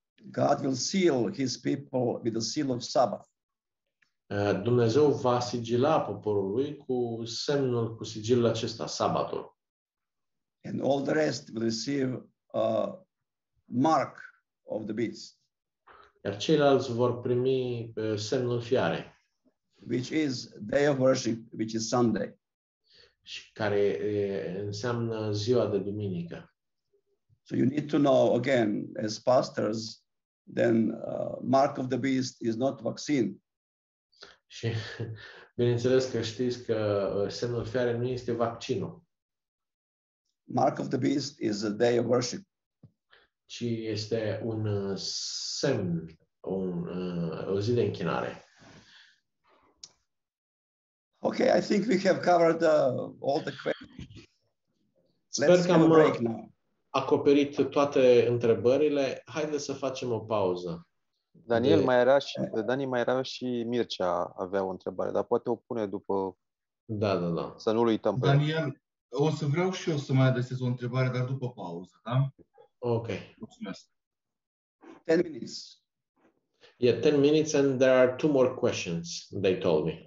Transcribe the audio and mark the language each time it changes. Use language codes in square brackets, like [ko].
[en] God will seal his people with the seal of Sabbath. [ro] Dumnezeu va sigila poporul lui cu semnul, cu sigilul acesta, sabatul. [en] And all the rest will receive a mark of the beast. [ro] Iar ceilalți vor primi semnul fiarei. [en] Which is day of worship, which is Sunday. [ro] Și care înseamnă ziua de duminică. [en] So you need to know again as pastors, then mark of the beast is not vaccine. [ro] Și bineînțeles că știți că semnul fiare nu este vaccinul. [en] Mark of the beast is a day of worship. [ro] Ci este un semn, o zi de închinare. [en] Okay, I think we have covered all the questions. Sper Let's have a break now. [ro] Acoperit toate întrebările. Haideți să facem o pauză. Daniel, mai era și Dani, mai era și Mircea avea o întrebare, dar poate o pune după. Da, da, da. Să nu-l uităm pe Daniel, el. O să vreau și eu să mai adresez o întrebare, dar după pauză, da? Ok. Mulțumesc. [en] 10 minutes. Yeah, 10 minutes and there are two more questions, they told me.